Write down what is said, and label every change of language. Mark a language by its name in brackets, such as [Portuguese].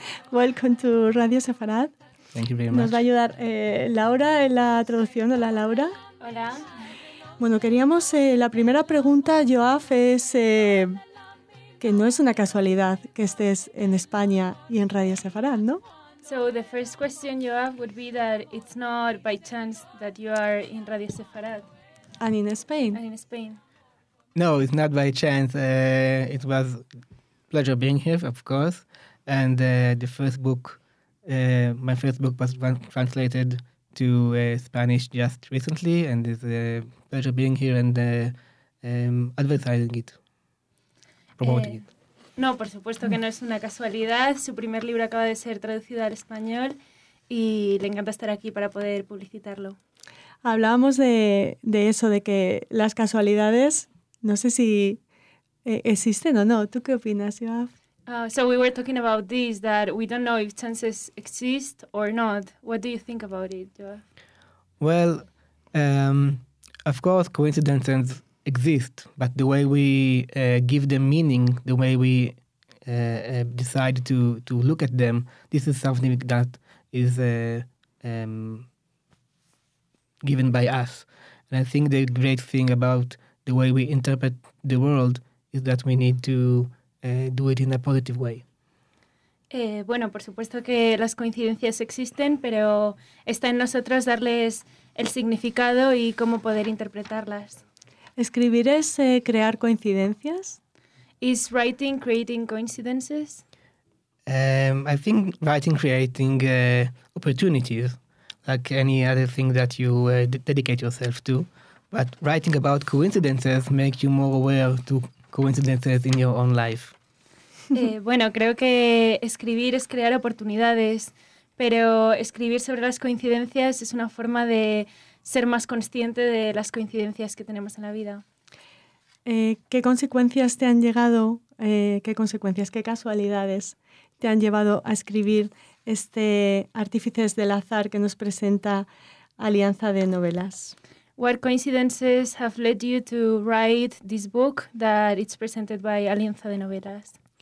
[English] Welcome to Radio Sefarad. Thank you very much. [Spanish] Nos va a ayudar Laura en la traducción. Hola, Laura. Hola. Bueno, queríamos... la primera pregunta, Yoav, es que no es una casualidad que estés en España y en Radio Sefarad, ¿no? [English] So the first question you have would be that it's not by chance that you are in Radio Sefarad. And in Spain. And in Spain. No, it's not by chance. It was pleasure being here, of course. And the first book, my first book was translated to Spanish just recently. And it's a pleasure being here and advertising it, promoting it. [Spanish] No, por supuesto que no es una casualidad. Su primer libro acaba de ser traducido al español y le encanta estar aquí para poder publicitarlo. Hablábamos de eso, de que las casualidades, no sé si existen o no. ¿Tú qué opinas, Yoav? [English] So we were talking about this, that we don't know if chances exist or not. What do you think about it, Yoav? Well, of course, coincidences exist, but the way we give them meaning, the way we decide to look at them, this is something that is given by us. And I think the great thing about the way we interpret the world is that we need to do it in a positive way. [Spanish] Bueno, por supuesto que las coincidencias existen, pero está en nosotros darles el significado y cómo poder interpretarlas. ¿Escribir es crear coincidencias? [English] Is writing creating coincidences? I think writing creating opportunities, like any other thing that you dedicate yourself to. But writing about coincidences makes you more aware to coincidences in your own life. [Spanish] Bueno, creo que escribir es crear oportunidades, pero escribir sobre las coincidencias es una forma de ser más consciente de las coincidencias que tenemos en la vida. ¿Qué consecuencias te han llegado, qué casualidades te han llevado a escribir este Artífices del Azar que nos presenta Alianza de Novelas? [English] What coincidences have led you to write this book that it's presented by Alianza de Novelas?